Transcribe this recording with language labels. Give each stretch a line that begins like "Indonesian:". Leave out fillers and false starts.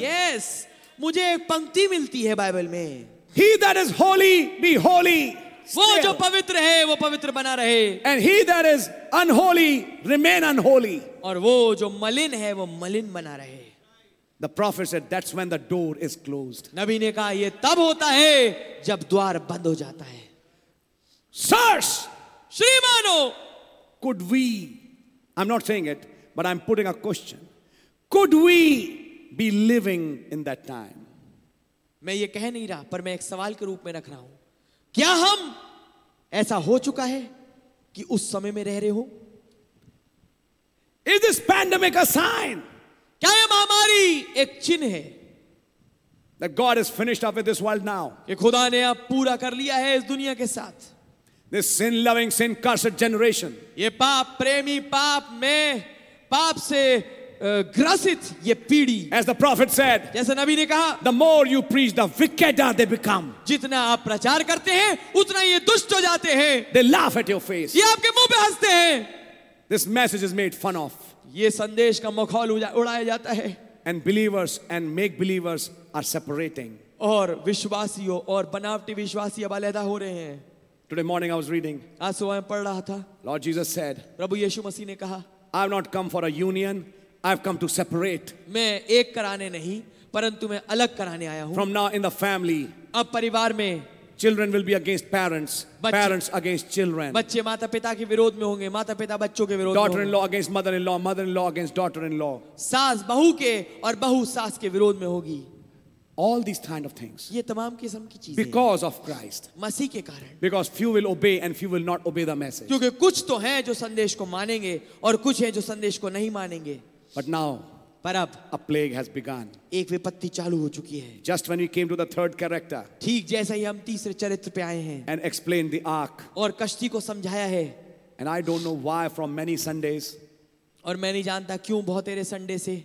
English: Yes,
Hindi: मुझे एक पंक्ति मिलती है बाइबल में
English: He that is holy, be holy.
Hindi: वो जो पवित्र है वो पवित्र बना रहे
English: And he that is unholy, remain unholy.
Hindi: और वो जो मलिन है वो मलिन बना रहे
English: The prophet said, that's when the door is closed.
Hindi: नबी ने कहा ये तब होता है जब द्वार बंद हो जाता है
English: Sirs,
Hindi: श्रीमानो
English: Could we, I'm not saying it, but I'm putting a question. Could we be living in that time?
Hindi: मैं ये कह नहीं रहा पर मैं एक सवाल के रूप में रख रहा हूं क्या हम ऐसा हो चुका है कि उस समय में रह रहे हो
English: is this pandemic a sign
Hindi: क्या यह महामारी एक चिन्ह है
English: that God is finished up with this world now
Hindi: कि खुदा ने अब पूरा कर लिया है इस दुनिया के साथ
English: This sin-loving, sin-cursed generation.
Hindi: ये पाप प्रेमी पाप में पाप से ग्रसित ये पीढ़ी.
English: As the prophet said.
Hindi: जैसे नबी ने कहा.
English: The more you preach, the wickeder they become.
Hindi: जितना आप प्रचार करते हैं, उतना ये दुष्ट हो जाते हैं.
English: They laugh at your face.
Hindi: ये आपके मुंह पे हंसते हैं.
English: This message is made fun of.
Hindi: ये संदेश का मखौल उड़ाया जाता है.
English: And believers and make believers are separating.
Hindi: और विश्वासियों और बनावटी विश्वासी अब अलहदा हो रहे हैं.
English: Today morning I was reading.
Hindi: आज सुबह मैं पढ़ रहा था.
English: Lord Jesus said.
Hindi: प्रभु यीशु मसीह ने कहा.
English: I have not come for a union. I have come to separate.
Hindi: मैं एक कराने नहीं, परंतु मैं अलग कराने आया हूँ.
English: From now in the family.
Hindi: अब परिवार में.
English: Children will be against parents. Parents against children.
Hindi: बच्चे माता पिता के विरोध में होंगे. माता पिता बच्चों के विरोध.
English: Daughter-in-law against mother-in-law. Mother-in-law against daughter-in-law.
Hindi: सास बहू के और बहू सास के विरोध में होगी.
English: All these kind of things.
Hindi: ये तमाम किस्म की चीजें.
English: Because of Christ.
Hindi: मसीह के कारण.
English: Because few will obey and few will not obey the message.
Hindi: क्योंकि कुछ तो हैं जो संदेश को मानेंगे और कुछ हैं जो संदेश को नहीं मानेंगे.
English: But now.
Hindi: पर अब.
English: A plague has begun.
Hindi: एक विपत्ति चालू हो चुकी है.
English: Just when we came to the third character.
Hindi: ठीक जैसा ही हम तीसरे चरित्र पे आए हैं.
English: And explained the ark.
Hindi: और कश्ती को समझाया है.
English: And I don't know why from many Sundays.
Hindi: और मैं नहीं जानता क्यों बहुत तेरे संडे से